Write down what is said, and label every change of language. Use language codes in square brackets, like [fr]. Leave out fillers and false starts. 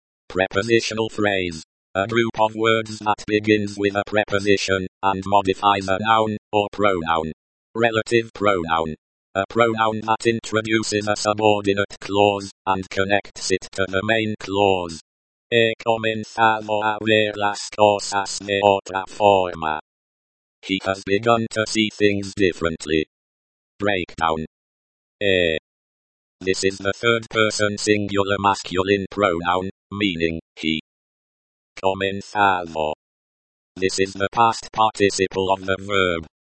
[en] Prepositional phrase. A group of words that begins with a preposition, and modifies a noun, or pronoun. Relative pronoun. A pronoun that introduces a subordinate clause, and connects it to the main clause. [es] He comenzado a ver las cosas de otra forma. [en] He has begun to see things differently. Breakdown. This is the third person singular masculine pronoun, meaning he. [es] Comenzado. [en] This is the past participle of the verb.